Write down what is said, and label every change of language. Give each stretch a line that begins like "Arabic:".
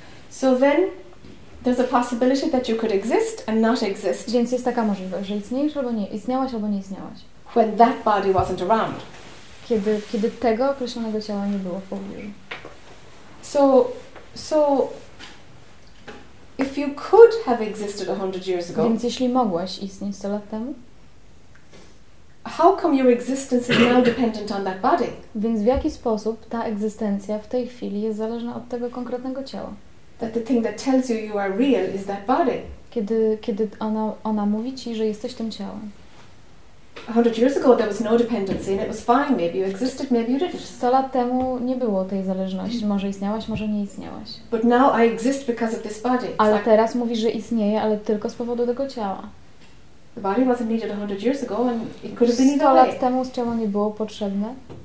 English: So then there's a possibility that you could exist and not exist.
Polish: Więc jest taka możliwość, że istniejesz albo nie, istniałaś albo nie istniałaś.
English: When that body wasn't around.
Polish: Kiedy tego określonego ciała nie było w pobliżu.
English: So if you could have existed 100 years ago.
Polish: Więc jeśli mogłaś istnieć 100 lat temu.
English: How come your existence is now dependent on that body?
Polish: Więc w jaki sposób ta egzystencja w tej chwili jest zależna od tego konkretnego ciała?
English: That the thing that tells you are real is that body.
Polish: Kiedy ona mówi ci, że jesteś tym ciałem.
English: 100 years ago there was no dependency and it was fine. Maybe you existed, maybe you didn't.
Polish: 100 lat temu nie było tej zależności. Może istniałaś, może nie istniałaś.
English: But now I exist because of this body.
Polish: Ale teraz mówisz, że istnieje, ale tylko z powodu tego ciała.
English: The body wasn't needed 100 years ago and it could have been either way.
Polish: 100 lat temu ciało nie było potrzebne.